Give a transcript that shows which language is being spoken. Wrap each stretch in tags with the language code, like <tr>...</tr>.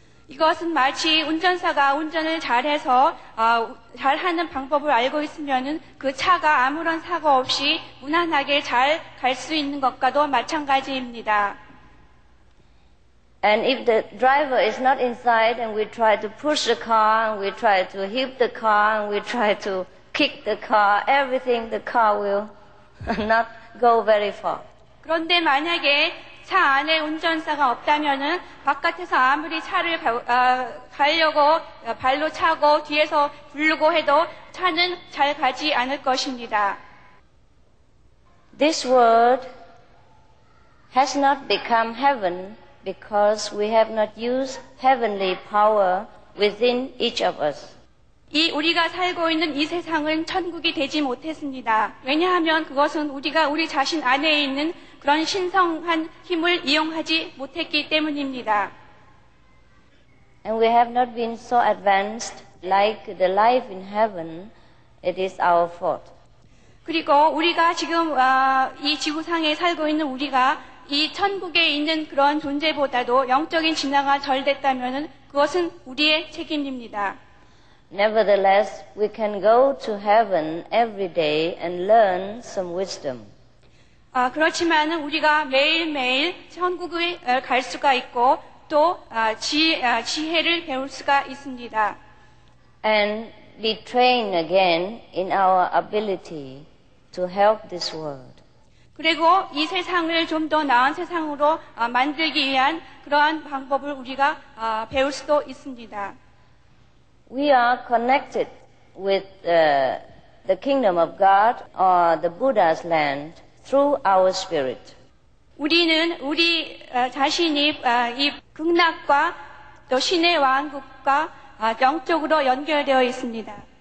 <ko>이것은 마치 운전사가 운전을 잘해서 잘하는 방법을 알고 있으면은 그 차가 아무런 사고 없이 무난하게 잘 갈 수 있는 것과도 마찬가지입니다.</ko> <en>And if the driver is not inside and we try to push the car and we try to hit the car and we try to kick the car, everything the car will not go very far.</en> <ko>그런데 만약에 차 안에 운전사가 없다면은 바깥에서 아무리 차를 가려고 발로 차고 뒤에서 부르고 해도 차는 잘 가지 않을 것입니다.</ko> <en>This world has not become heaven because we have not used heavenly power within each of us.</en> <ko>이 우리가 살고 있는 이 세상은 천국이 되지 못했습니다. 왜냐하면 그것은 우리가 우리 자신 안에 있는 그런 신성한 힘을 이용하지 못했기 때문입니다.</ko> <en>And we have not been so advanced like the life in heaven. It is our fault.</en> <ko>그리고 우리가 지금 이 지구상에 살고 있는 우리가 이 천국에 있는 그런 존재보다도 영적인 진화가 덜 됐다면은 그것은 우리의 책임입니다.</ko> <en>Nevertheless, we can go to heaven every day and learn some wisdom.</en> <ko>그렇지만 우리가 매일매일 천국에 갈 수가 있고 또 지혜를 배울 수가 있습니다.</ko> <en>And be trained again in our ability to help this world.</en> <ko>그리고 이 세상을 좀 더 나은 세상으로 만들기 위한 그러한 방법을 우리가 배울 수도 있습니다.</ko> <en>We are connected with the kingdom of God or the Buddha's land through our spirit.</en> <ko>우리는 우리 자신이 이 극락과 또 신의 왕국과 영적으로 연결되어 있습니다.</ko>